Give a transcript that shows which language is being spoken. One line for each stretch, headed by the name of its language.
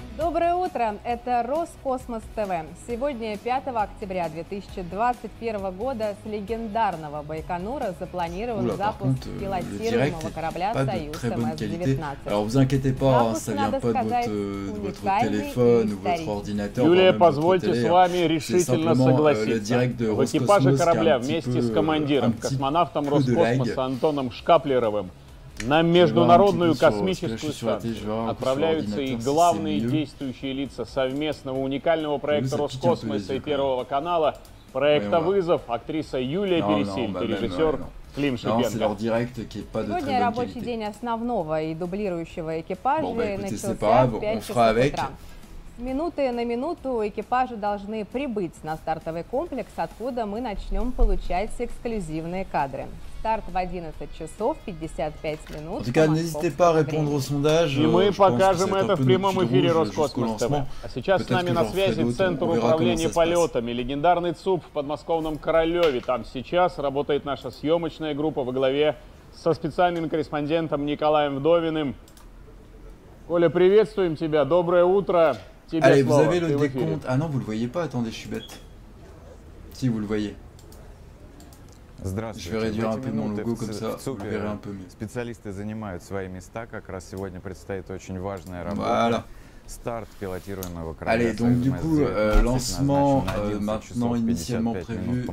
Russian: Доброе утро, это Роскосмос ТВ. Сегодня 5 октября 2021 года с легендарного Байконура запланирован запуск пилотируемого корабля Союз МС-19.
French: Alors, vous inquiétez pas, ça vient pas de votre téléphone ou votre ordinateur.
Russian: Юлия, позвольте с вами решительно согласиться. В экипаже корабля вместе с командиром, космонавтом Роскосмоса Антоном Шкаплеровым, на международную космическую станцию отправляются и главные действующие лица совместного уникального проекта Роскосмоса и Первого канала, проекта «Вызов», актриса Юлия Пересильд и режиссер Клим Шипенко. Сегодня рабочий день основного и дублирующего экипажа начался в 5 часов утра. Минуты на минуту экипажи должны прибыть на стартовый комплекс, откуда мы начнем получать эксклюзивные кадры. Старт в 11:55.
French: En tout cas, n'hésitez pas à répondre au sondage.
Russian: И мы покажем это в прямом эфире Роскосмос ТВ. А сейчас с нами на связи Центр управления полетами, легендарный ЦУП в подмосковном Королеве. Там сейчас работает наша съемочная группа во главе со специальным корреспондентом Николаем Вдовиным. Коля, приветствуем тебя. Доброе утро. Тебе слово.
French: Allez, vous avez le décompte. Ah non, vous le voyez pas. Attendez, je suis bête. Si, vous le voyez.
Russian: Здравствуйте.
French: Je vais réduire un peu mon logo comme ça, vous verrez un peu mieux.
Russian: Специалисты занимают свои места, как раз сегодня предстоит очень важная работа. Voilà.
French: Allez, donc du coup, lancement maintenant initialement prévu à